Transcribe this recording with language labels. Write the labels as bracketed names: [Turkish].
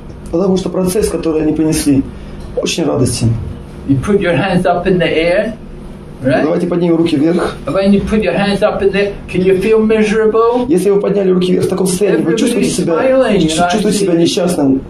[Russian] Потому что процесс, который они принесли, очень радостен. [English] You put your hands up in the air, right? [Russian] Давайте поднимем руки вверх. [English] When you put your hands up in the air, can you feel miserable? [Russian] Если вы подняли руки вверх в таком состоянии, вы чувствуете себя, чувствуете себя несчастным?